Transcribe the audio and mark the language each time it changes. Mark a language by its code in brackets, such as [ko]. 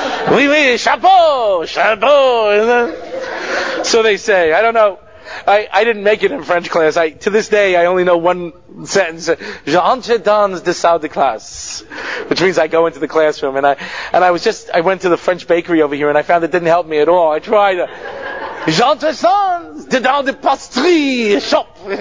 [fr] Oui, oui, chapeau, chapeau. [en] So they say, I don't know. I didn't make it in French class. To this day, I only know one sentence. [fr] J'entre dans la salle de classe. [en] Which means I go into the classroom. And I went to the French bakery over here and I found it didn't help me at all. I tried. [fr] J'entre dans la pâtisserie shop.